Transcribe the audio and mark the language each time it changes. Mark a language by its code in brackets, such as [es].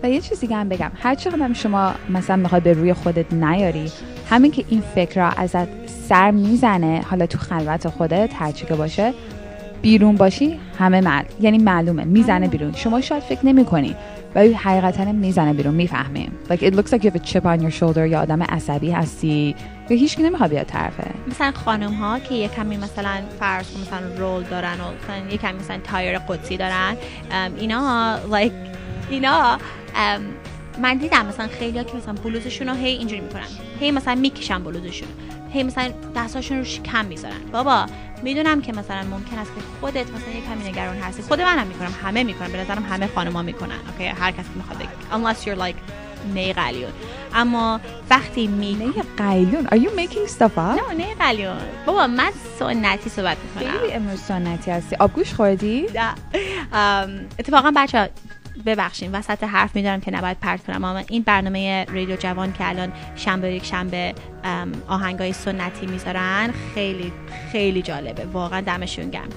[fa] و یه چیز دیگه هم بگم، هر چقدر شما مثلا میخوای به روی خودت نیاری، همین که این فکر را ازت سر میزنه، حالا تو خلوت خودت هر چی که باشه، بیرون باشی همه یعنی معلومه میزنه بیرون. شما شاید فکر نمیکنی ولی حقیقتا میزنه بیرون، میفهمیم. [en] Like it looks like you have a chip on your shoulder، [fa] یا آدم عصبی هستی یا هیچ کی نمیخواد بیاد طرفه. مثلا خانم ها که یه کمی مثلا فرض کن مثلا رول دارن و مثلا یه کمی مثلا تایر قدسی دارن، اینا like اینا من دیدم مثلا خیلی ها که مثلا بلوزشون رو هی اینجوری میکنن، هی مثلا میکشن بلوزشون، هی مثلا دستاشون رو شکم میذارن. بابا میدونم که مثلا ممکن است که خودت مثلا یک کمی نگران هستی، خود منم هم میکنم، همه میکنم، به نظرم همه خانوما میکنن، اوکی هر کسی میخواد [en] unless you're like [fa] نیقلیون. اما وقتی می [en] نیقلیون، are you making stuff up؟ [fa] نه نیقلیون بابا، من سنتی صحبت میکنم. خیلی امروز سنتی هستی. آبگوش خوردی؟ نه. اتفاقا بچه ها ببخشین وسط حرف میدارم که نباید پرت کنم، اما این برنامه رادیو جوان که الان شنبه یک شنبه آهنگای سنتی میذارن خیلی خیلی جالبه، واقعا دمشون گرم.